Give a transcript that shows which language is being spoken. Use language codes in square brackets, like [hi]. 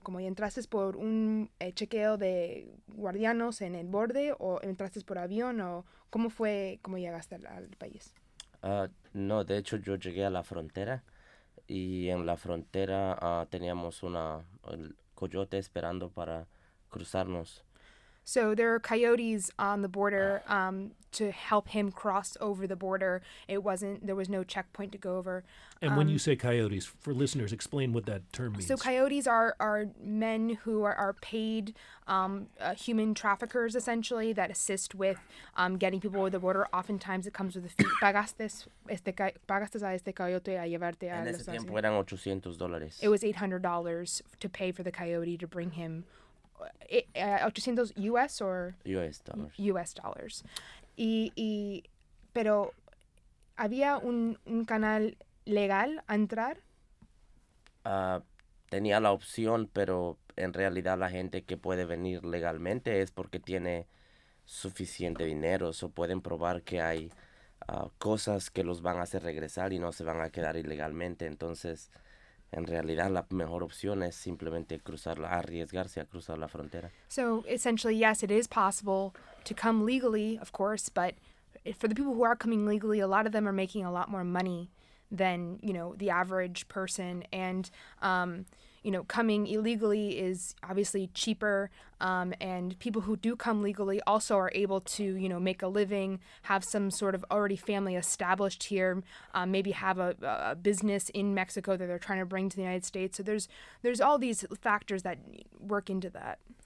[es] ¿Cómo entraste por un chequeo de guardianos en el borde o entraste por avión o cómo fue cómo llegaste al país? No, de hecho yo llegué a la frontera y en la frontera teníamos una el coyote esperando para cruzarnos. [en] So there are coyotes on the border to help him cross over the border. There was no checkpoint to go over. And when you say coyotes, for listeners, explain what that term means. So coyotes are men who are paid human traffickers, essentially, that assist with getting people over the border. Oftentimes it comes with a fee. [es] ¿Pagaste a este coyote a llevarte a los tiempos eran $800. [en] It was $800 to pay for the coyote to bring him. $800 US or US dollars. US dollars. [es] Y pero había un canal legal a entrar. Tenía la opción, pero en realidad la gente que puede venir legalmente es porque tiene suficiente dinero. O pueden probar que hay cosas que los van a hacer regresar y no se van a quedar ilegalmente. Entonces, en realidad, la mejor opción es simplemente cruzarla, arriesgarse a cruzar la frontera. [en] So, essentially, yes, it is possible to come legally, of course, but for the people who are coming legally, a lot of them are making a lot more money than, you know, the average person. And, you know, coming illegally is obviously cheaper. And people who do come legally also are able to, you know, make a living, have some sort of already family established here, maybe have a business in Mexico that they're trying to bring to the United States. So there's all these factors that work into that.